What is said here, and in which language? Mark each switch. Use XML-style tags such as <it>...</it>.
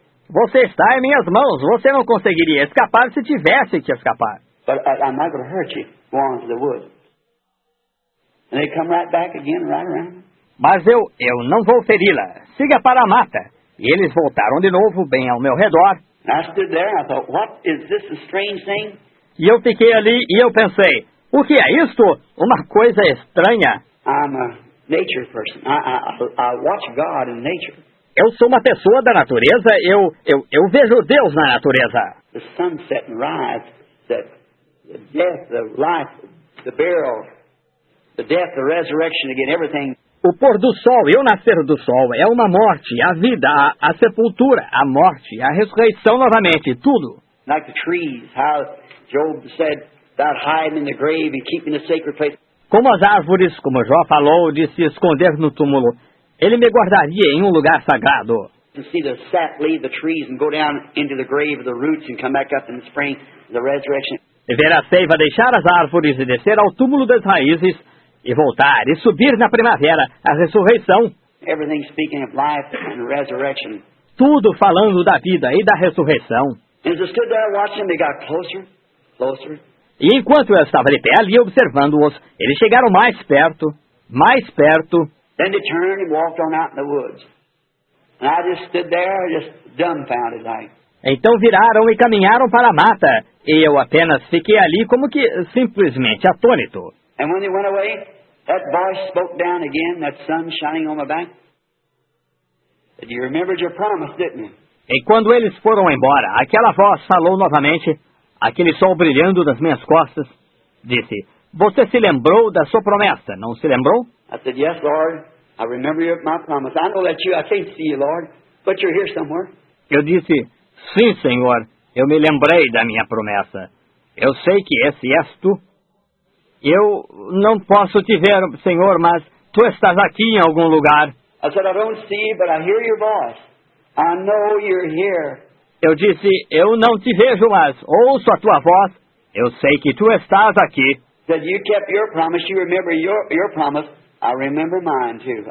<pt>Você está em minhas mãos. Você não conseguiria escapar se tivesse que escapar.</pt> <en>But I'm not going to hurt you. Go on to the woods. And they come right back again, right around.</en> <pt>Mas eu não vou feri-la. Siga para a mata. E eles voltaram de novo, bem ao meu redor.</pt> <en>And I stood there and I thought, what is this a strange thing?</en> <pt>E eu fiquei ali e eu pensei, o que é isto? Uma coisa estranha.</pt> <en>I'm a nature person. I watch God in nature.</en> <pt>Eu sou uma pessoa da natureza. Eu vejo Deus na natureza.</pt> <en>The sunset and rise, the death, the life, the burial, the death, the resurrection, again, everything.</en> <pt>O pôr do sol e o nascer do sol é uma morte, a vida, a sepultura, a morte, a ressurreição novamente, tudo.</pt> <en>Like the trees, how Job said, about hiding in the grave and keeping the sacred place.</en> <pt>Como as árvores, como Jó falou, de se esconder no túmulo, ele me guardaria em um lugar sagrado.</pt> <en>To see the sap leave the trees and go down into the grave of the roots and come back up in the spring, the resurrection.</en> <pt>Ver a seiva deixar as árvores e descer ao túmulo das raízes e voltar e subir na primavera, a ressurreição.</pt> <en>Everything speaking of life and resurrection.</en> <pt>Tudo falando da vida e da ressurreição.</pt> <en>As I stood there watching, they got closer, closer.</en> <pt>E enquanto eu estava de pé ali observando-os, eles chegaram mais perto, mais perto.</pt> <en>Then they turned and walked on out in the woods. And I just stood there, just dumbfounded like.</en> <pt>Então viraram e caminharam para a mata, e eu apenas fiquei ali como que simplesmente atônito.</pt> <en>And when they went away, that voice spoke down again, that sun shining on my back. But you remembered your promise, didn't you?</en> <pt>E quando eles foram embora, aquela voz falou novamente. Aquele sol brilhando nas minhas costas, disse, você se lembrou da sua promessa, não se lembrou?</pt> <en>I said, yes, Lord, I remember my promise. I know that you, I can't see you, Lord, but you're here somewhere.</en> <pt>Eu disse, sim, Senhor, eu me lembrei da minha promessa. Eu sei que esse és tu. Eu não posso te ver, Senhor, mas tu estás aqui em algum lugar.</pt> <en>I said, I don't see, but I hear your voice. I know you're here.</en> <pt>Eu disse, eu não te vejo, mas ouço a tua voz. Eu sei que tu estás aqui.</pt> <en>Said you kept your promise, you remember your promise. I remember mine too.</en>